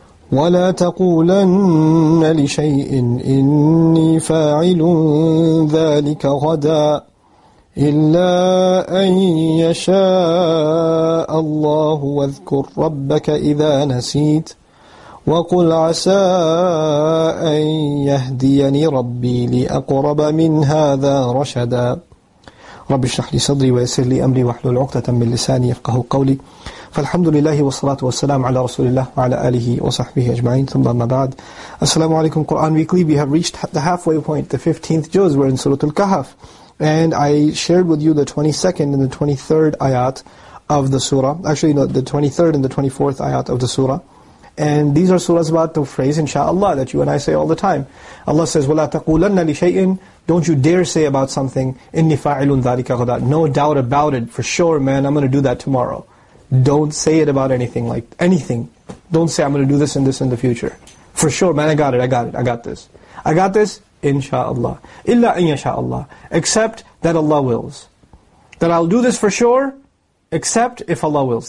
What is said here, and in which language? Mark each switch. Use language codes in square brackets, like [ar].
[ar] وَلَا تَقُولَنَّ لِشَيْءٍ إِنِّي فَاعِلٌ ذَلِكَ غَدًا إلا أن يشاء الله واذكر ربك إذا نسيت وقل عسى أن يهديني ربي لأقرب من هذا رشدا رب اشرح لي صدري ويسر لي أمري واحلل عقدة من لساني يفقه قولي فالحمد لله والصلاة والسلام على رسول الله وعلى آله وصحبه أجمعين ثم ما بعد السلام عليكم Quran Weekly. [en] We have reached the halfway point, the 15th juz. We're in Surah Al-Kahf. And I shared with you the 22nd and the 23rd ayat of the surah. Actually, no, the 23rd and the 24th ayat of the surah. And these are surahs about the phrase, inshaAllah, that you and I say all the time. Allah says, [ar] وَلَا تَقُولَنَّ لِشَيْءٍ. [en] Don't you dare say about something, [ar] إِنِّي فَاعِلٌ ذَلِكَ غَدًا. [en] No doubt about it. For sure, man, I'm going to do that tomorrow. Don't say it about anything, like anything. Don't say, I'm going to do this and this in the future. For sure, man, I got this. InshaAllah. [ar] Illa an yasha'Allah. [en] Except that Allah wills. That I'll do this for sure, except if Allah wills.